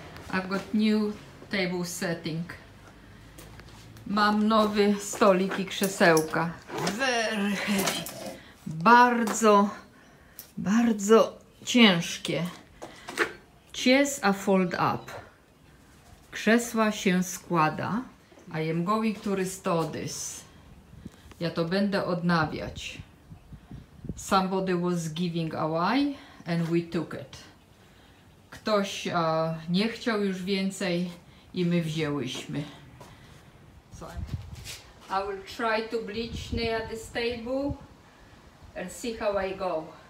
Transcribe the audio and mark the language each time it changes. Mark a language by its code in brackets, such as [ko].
[en] I've got new table setting. [pl] Mam nowy stolik i krzesełka. [en] Very heavy. [pl] Bardzo, bardzo ciężkie. [en] Chairs are fold up. [pl] Krzesła się składa. [en] I am going to restore this. [pl] Ja to będę odnawiać. [en] Somebody was giving away and we took it. [pl] Ktoś nie chciał już więcej i my wzięłyśmy. [en] So I will try to bleach near this table and see how I go.